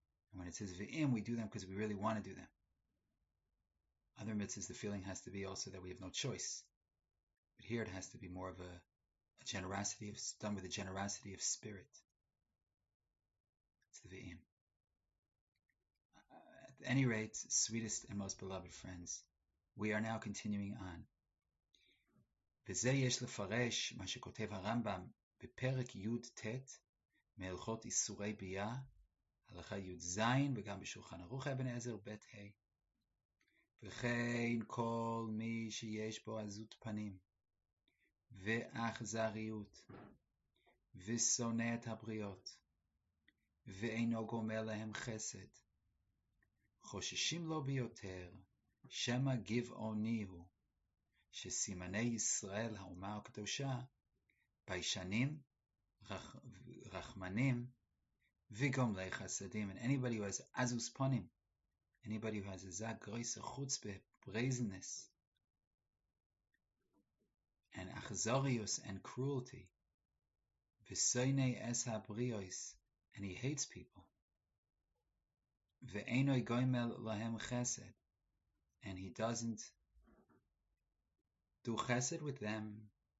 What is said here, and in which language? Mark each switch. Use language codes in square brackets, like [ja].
[en] And when it says v'im, we do them because we really want to do them. Other mitzvahs, the feeling has to be also that we have no choice. But here it has to be more of a generosity, of done with a generosity of spirit. It's the v'im. At any rate, sweetest and most beloved friends, we are now continuing on. [he] וזה יש לפרש מה שכותב הרמב״ם בפרק י' ט' מהלכות איסורי ביה, הלכה י' ז' וגם בשולחן ערוך אבן עזר ב' ה'. וכן כל מי שיש בו עזות פנים ואכזריות ושונא את הבריות ואינו גומר להם חסד, חוששים לו ביותר שמא גבעוני הוא, שסימני ישראל האומה הקדושה ביישנים, רחמנים וגומלי חסדים. [en] And anybody who has azus ponim, anybody who has a zag grisa chutzpah, brazenness and achzorius and cruelty, [he] v'soine es habriois, [en] and he hates people, [he] ve'enoi goymel lahem chesed, [en] and he doesn't do chesed with them.